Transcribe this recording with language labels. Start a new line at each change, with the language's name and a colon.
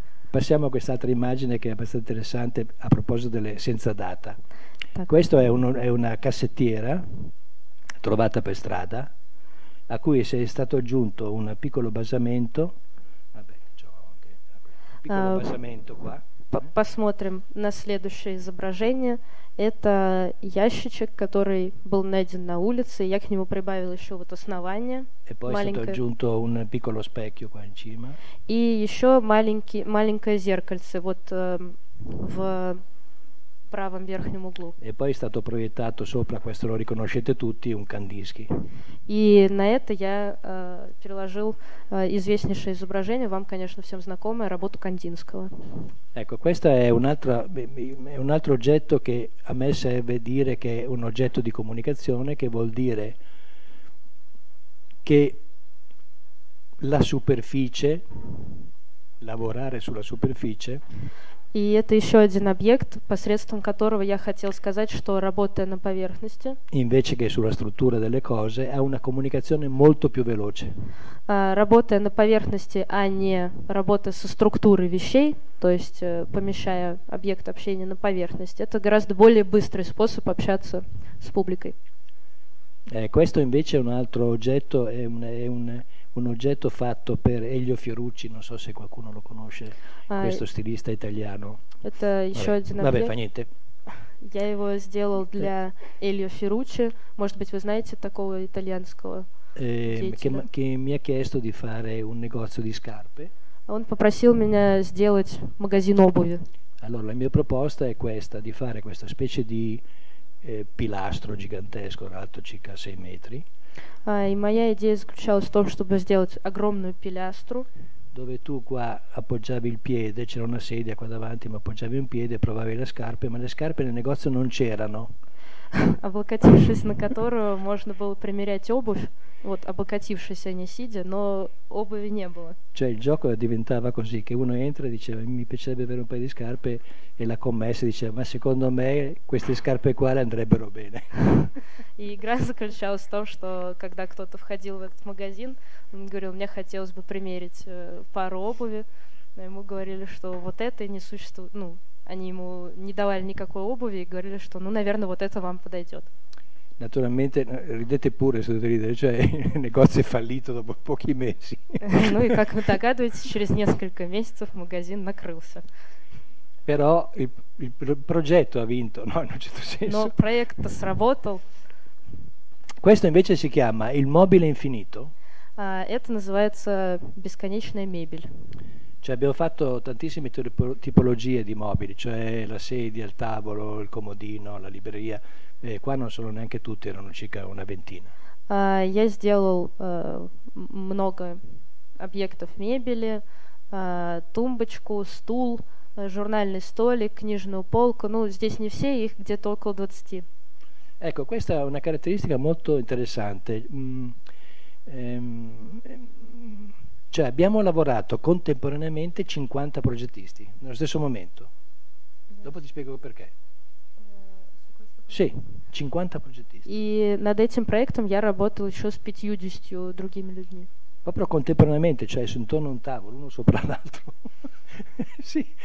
Italian: Passiamo a quest'altra immagine che è abbastanza interessante a proposito delle senza data. Questo è una cassettiera trovata per strada a cui si è stato aggiunto un piccolo basamento. Vabbè, c'ho anche piccolo basamento qua.
Russian: Посмотрим на следующее изображение. Это ящичек, который был найден на улице. Я к нему прибавил еще вот основание.
Italian: E poi
Russian: маленькое.
Italian: È stato aggiunto un piccolo specchio qua in cima.
Russian: И еще маленькое зеркальце вот в правом верхнем углу.
Italian: E poi è stato proiettato sopra, questo lo riconoscete tutti, un Kandinsky.
Russian: И на это я переложил известнейшее изображение, вам, конечно, всем знакомое, работу Кандинского.
Italian: Ecco, questo è un altro oggetto che a me serve dire che è un oggetto di comunicazione, che vuol dire che la superficie, lavorare sulla superficie.
Russian: И это еще один объект, посредством которого я хотел сказать, что работая на поверхности.
Italian: Invece che sulla struttura delle cose, ha una comunicazione molto più veloce.
Russian: Работая на поверхности, а не работая со структурой вещей, то есть помещая объект общения на поверхности, это гораздо более быстрый способ общаться с публикой.
Italian: Questo invece è un altro oggetto, è un oggetto fatto per Elio Fiorucci, non so se qualcuno lo conosce, questo stilista italiano.
Russian: Это еще один
Italian: Vabbè, fa niente.
Russian: Я его сделал для Elio Fiorucci. Может быть, вы знаете такого итальянского
Italian: Che mi ha chiesto di fare un negozio di scarpe.
Russian: Он попросил меня сделать магазин обуви.
Italian: Allora, la mia proposta è questa, di fare questa specie di pilastro gigantesco, alto circa 6 metri.
Russian: И моя идея заключалась в том, чтобы сделать огромную пилястру.
Italian: Dove tu qua appoggiavi il piede, c'era una sedia qua davanti, ma appoggiavi un piede, provavi le scarpe, ma le scarpe nel negozio non c'erano.
Russian: Облокотившись на которую можно было примерять обувь, вот облокотившись, а не сидя, но обуви не было.
Italian: Cioè il gioco diventava così, che uno entra e diceva mi piacerebbe avere un paio di scarpe, e la commessa diceva ma secondo me queste scarpe qua le andrebbero bene.
Russian: И игра заключалась в том, что когда кто-то входил в этот магазин, он говорил, мне хотелось бы примерить пару обуви, но ему говорили, что вот это не существует, ну, они ему не давали никакой обуви и говорили, что, ну, наверное, вот это вам подойдет.
Italian: Naturalmente, ridete pure, se dovete ridere, cioè, il negozio è fallito dopo pochi mesi.
Russian: Ну, и как вы догадываетесь, через несколько месяцев магазин накрылся.
Italian: Però il progetto ha vinto, no, in un certo senso.
Russian: Но проект-то сработал.
Italian: Questo invece si chiama il mobile infinito.
Russian: Это называется бесконечная мебель.
Italian: Cioè abbiamo fatto tantissime tipologie di mobili, cioè la sedia, il tavolo, il comodino, la libreria. Qua non sono neanche tutte, erano circa una ventina.
Russian: Я сделал много объектов мебели, тумбочку, стул, журнальный столик, книжную полку. Ну, здесь не все, их где-то около 20.
Italian: Ecco, questa è una caratteristica molto interessante. Cioè abbiamo lavorato contemporaneamente 50 progettisti nello stesso momento. Dopo ti spiego perché. Sì, 50 progettisti.
Russian: И над этим проектом я работал еще с 50 другими людьми.
Italian: Proprio contemporaneamente, cioè su intorno a un tavolo, uno sopra l'altro. Sì.